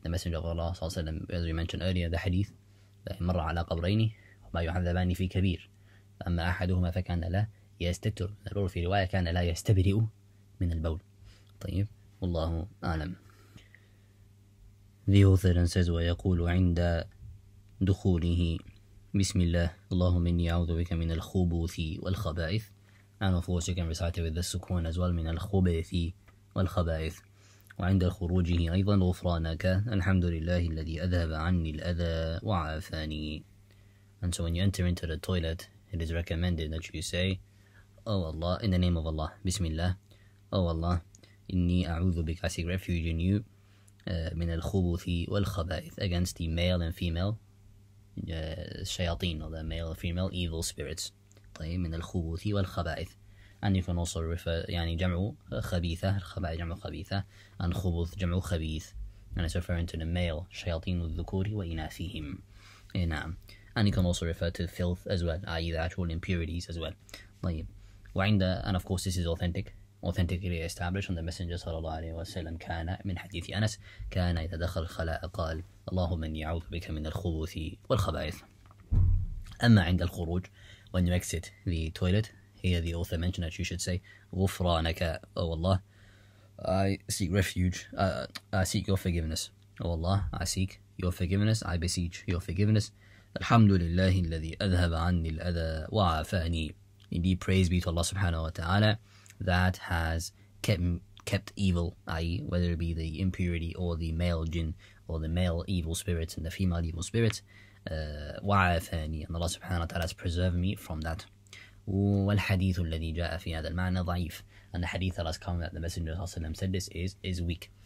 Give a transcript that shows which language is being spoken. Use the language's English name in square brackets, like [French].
[English] The Messenger of Allah, as we mentioned earlier, the hadith, [Arabic] مَرَّ عَلَى قَبْرَيْنِ وَمَا يُعَذَّبَانِ فِي كَبِيرٍ فَأَمَّا أَحَدُهُمَا فَكَانَ لَا يَسْتَتُرُ الْعُرُ فِي رِوَايَةٍ كَانَ لَا يَسْتَبْرِئُ مِنَ الْبَوْلِ. طيب, والله أعلم. [English] The author then says, [Arabic] وَيَقُولُ عِنْدَ دُخُولِهِ بِسْمِ اللَّهِ اللَّهُمَّ إِنِّي أَعُوذُ بِكَ مِنَ الْخُبُوثِ وَالْخَبَائِثِ. [English] And of course, you can recite it with the sukun as well, [Arabic] مِنَ الْخُبُوثِ وَالْخَبَائِثِ. وعند خروجه أيضا غفرانك الحمد لله الذي أذهب عني الأذى وعافاني. [English] And so when you enter into the toilet, it is recommended that you say, Oh Allah, in the name of Allah, Bismillah, Oh Allah, [Arabic] إني أعوذ بك, [English] I seek refuge in you, [Arabic] من الخبث والخبائث, [English] against the male and female, الشياطين, or the male and female evil spirits. [Arabic] طيب, من الخبث والخبائث. [English] And you can also refer, [Arabic] يعني جمع خبيثة, الخبائث جمع خبيثة, and خبث جمع خبيث. [English] And it's referring to the male, [Arabic] شياطين الذكور وإناثهم. نعم. [English] And you can also refer to filth as well, i.e. the actual impurities as well. [Arabic] طيب. وعند, [English] and of course this is authentic, authentically established on the Messenger sallallahu alayhi wa sallam, [Arabic] كان من حديث أنس, كان إذا دخل الخلاء قال, اللهم إني أعوذ بك من الخبث والخبائث. [English] أما عند الخروج, when you exit the toilet, here the author mentioned that you should say, غفرانك, oh Allah, I seek refuge, I seek your forgiveness. Oh Allah, I seek your forgiveness, I beseech your forgiveness. [Arabic] الحمد لله الذي أذهب عني الأذى وعافاني. [English] Indeed, praise be to Allah subhanahu wa ta'ala that has kept evil, i.e. whether it be the impurity or the male jinn or the male evil spirits and the female evil spirits, وعافاني, and Allah subhanahu wa ta'ala has preserved me from that. [Arabic] والحديث الذي جاء في هذا المعنى ضعيف, [English] and the hadith that has come that the Messenger of Allah said this is weak.